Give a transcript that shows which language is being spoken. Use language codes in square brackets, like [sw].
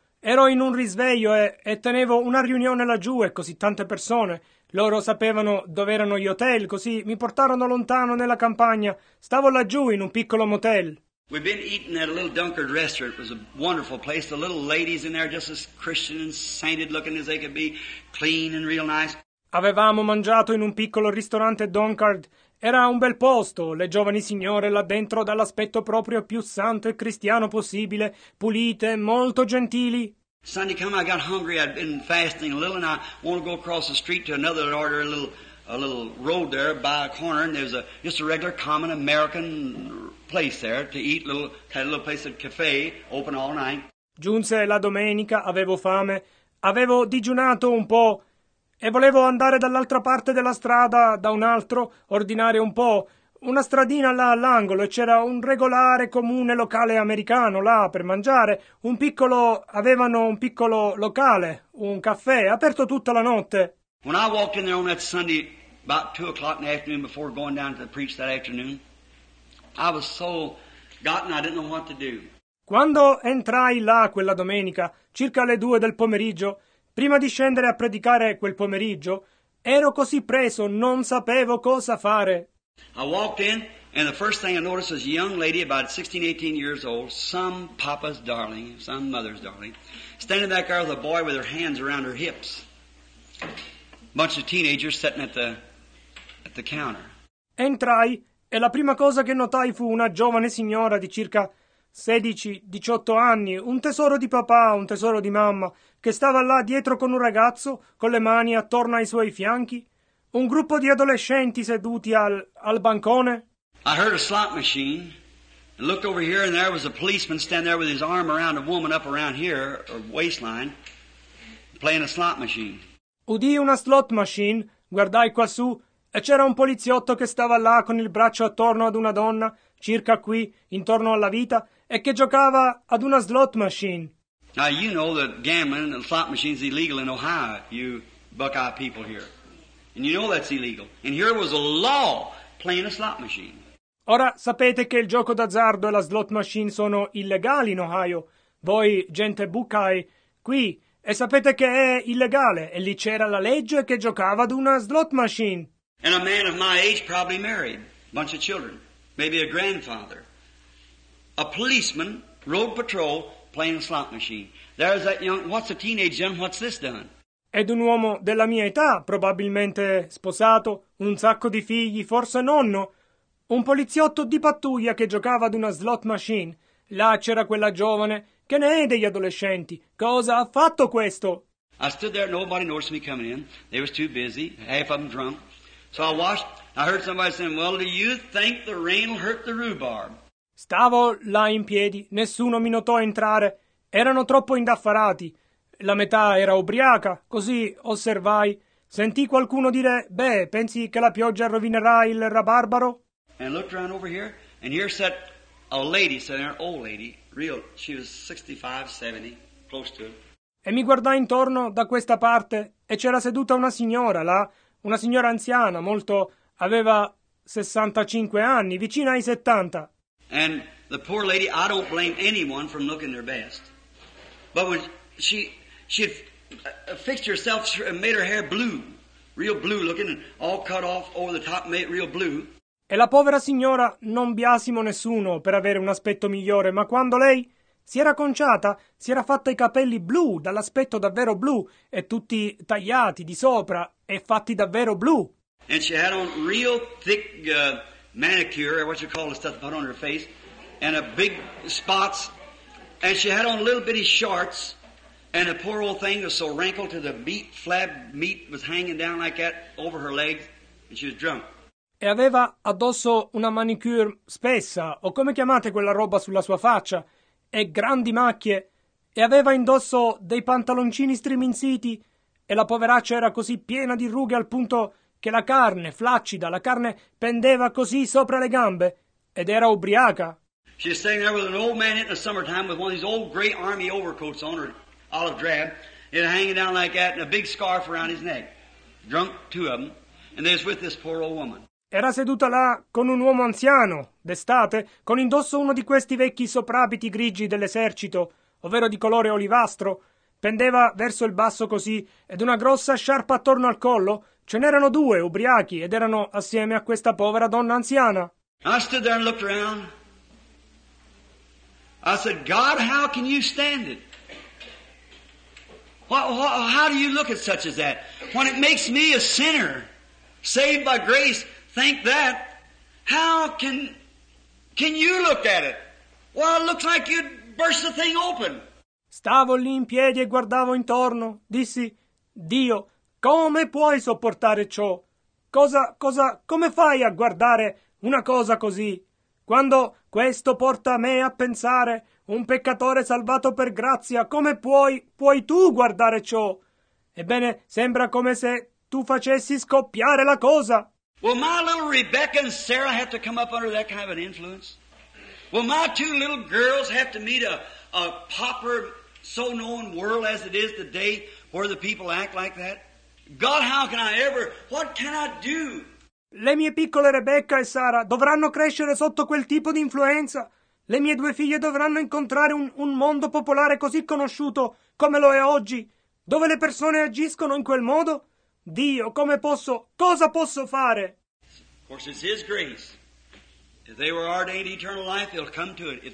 [it] Ero in un risveglio e tenevo una riunione laggiù e così tante persone. Loro sapevano dove erano gli hotel, così mi portarono lontano nella campagna. Stavo laggiù in un piccolo motel. [en] We've been eating at a little Dunkard restaurant. It was a wonderful place. The little ladies in there just as Christian and sainted looking as they could be, clean and real nice. [it] Avevamo mangiato in un piccolo ristorante Dunkard. Era un bel posto, le giovani signore là dentro dall'aspetto proprio più santo e cristiano possibile, pulite, molto gentili. [en] Sunday come I got hungry, I'd been fasting a little and I wanted to go across the street to another order, a little road there by a corner and there's just a regular common American place there to eat, had a little place, a cafe, open all night. [it] Giunse la domenica, avevo fame, avevo digiunato un po'. E volevo andare dall'altra parte della strada, da un altro, ordinare un po', una stradina là all'angolo, e c'era un regolare comune locale americano là per mangiare, avevano un piccolo locale, un caffè, aperto tutta la notte. [en] When I walked in there on that Sunday, about 2 o'clock in the afternoon, before going down to preach that afternoon, I was so gotten, I didn't know what to do. [it] Quando entrai là quella domenica, circa le 2 del pomeriggio, prima di scendere a predicare quel pomeriggio, ero così preso, non sapevo cosa fare. [en] I walked in, and the first thing I noticed was a young lady, about 16, 18 years old, some papa's darling, some mother's darling, standing back there with a boy with her hands around her hips. A bunch of teenagers sitting at the counter. [it] Entrai, e la prima cosa che notai fu una giovane signora di circa 16, 18 anni, un tesoro di papà, un tesoro di mamma, che stava là dietro con un ragazzo, con le mani attorno ai suoi fianchi, un gruppo di adolescenti seduti al bancone. [en] I heard a slot machine, and looked over here, and there was a policeman standing there with his arm around a woman up around here, or waistline, playing a slot machine. [it] Udii una slot machine, guardai quassù, e c'era un poliziotto che stava là con il braccio attorno ad una donna, circa qui, intorno alla vita, e che giocava ad una slot machine. [en] Now you know that gambling and slot machines is illegal in Ohio, you Buckeye people here. And you know that's illegal. And here was a law playing a slot machine. [it] Ora sapete che il gioco d'azzardo e la slot machine sono illegali in Ohio. Voi, gente Buckeye, qui, e sapete che è illegale. E lì c'era la legge che giocava ad una slot machine. [en] And a man of my age probably married. A bunch of children. Maybe a grandfather. A policeman, road patrol, playing a slot machine. There's that young, what's a teenage young, what's this done? [it] Ed un uomo della mia età, probabilmente sposato, un sacco di figli, forse nonno, un poliziotto di pattuglia che giocava ad una slot machine. Là c'era quella giovane, che ne è degli adolescenti? Cosa ha fatto questo? [en] I stood there, nobody noticed me coming in. They was too busy, half of them drunk. So I watched, I heard somebody saying, "Well, do you think the rain will hurt the rhubarb?" [it] Stavo là in piedi, nessuno mi notò entrare, erano troppo indaffarati, la metà era ubriaca, così osservai, sentì qualcuno dire, "Beh, pensi che la pioggia rovinerà il rabarbaro?" [en] And looked around over here, and here sat a lady, sat there, an old lady, real, she was 65, 70, close to it. [it] E mi guardai intorno da questa parte, e c'era seduta una signora là, una signora anziana, molto, aveva 65 anni, vicina ai 70. [en] And the poor lady, I don't blame anyone from looking their best. But when she had fixed herself and made her hair blue, real blue looking, and all cut off over the top, made it real blue. [it] E la povera signora non biasimo nessuno per avere un aspetto migliore, ma quando lei si era conciata, si era fatta i capelli blu, dall'aspetto davvero blu, e tutti tagliati di sopra e fatti davvero blu. [en] And she had on real thick manicure, what you call the stuff put on her face, and a big spots, and she had on little bitty shorts, and the poor old thing was so wrinkled to the meat, flab meat was hanging down like that over her legs, and she was drunk. [it] E aveva addosso una manicure spessa, o come chiamate quella roba sulla sua faccia, e grandi macchie, e aveva indosso dei pantaloncini striminziti, e la poveraccia era così piena di rughe al punto che la carne, flaccida, la carne pendeva così sopra le gambe, ed era ubriaca. [en] She was standing there with an old man in the summertime with one of these old gray army overcoats on her, olive drab, and hanging down like that, and a big scarf around his neck. Drunk, two of them, and they was with this poor old woman. [it] Era seduta là con un uomo anziano, d'estate, con indosso uno di questi vecchi soprabiti grigi dell'esercito, ovvero di colore olivastro, pendeva verso il basso così, ed una grossa sciarpa attorno al collo. Ce n'erano due, ubriachi, ed erano assieme a questa povera donna anziana. [en] I stood there and looked around. I said, God, how can you stand it? How do you look at such as that? When it makes me a sinner, saved by grace, think that, how can you look at it? Well, it looks like you'd burst the thing open. [it] Stavo lì in piedi e guardavo intorno. Dissi, Dio, come puoi sopportare ciò? Cosa, come fai a guardare una cosa così? Quando questo porta me a pensare, un peccatore salvato per grazia, come puoi tu guardare ciò? Ebbene, sembra come se tu facessi scoppiare la cosa. [en] Will my little Rebecca and Sarah have to come up under that kind of an influence? Will my two little girls have to meet a pauper, so known world as it is today, where the people act like that? God, how can I ever? What can I do? [it] Le mie piccole Rebecca e Sara dovranno crescere sotto quel tipo di influenza. Le mie due figlie dovranno incontrare un mondo popolare così conosciuto come lo è oggi, dove le persone agiscono in quel modo. Dio, come posso, cosa posso fare? [en] Of course, it's His grace. If they were ordained eternal life, they'll come to it.